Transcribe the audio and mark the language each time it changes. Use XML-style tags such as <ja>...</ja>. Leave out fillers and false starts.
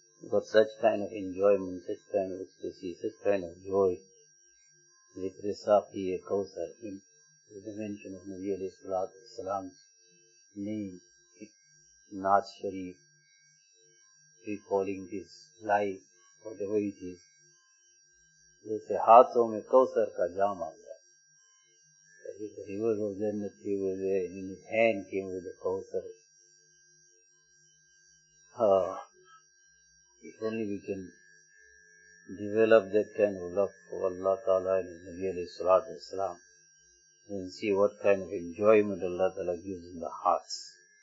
<en>But such kind of enjoyment, such kind of ecstasy, such kind of joy.</en> <ur>ذکر ساقی کوثر,</ur> <en>in the dimension of نبی علیہ السلام's name, نعت شریف, recalling his life, whatever it is.</en> <ur>جیسے ہاتھوں میں کوثر کا جام آ گیا.</ur> <en>The river of Jannat was there and in his hand came with the kawthar. If only we can develop that kind of love for Allah Ta'ala and Nabi alayhi salatu wasalam, then see what kind of enjoyment Allah Ta'ala gives in the hearts.</en>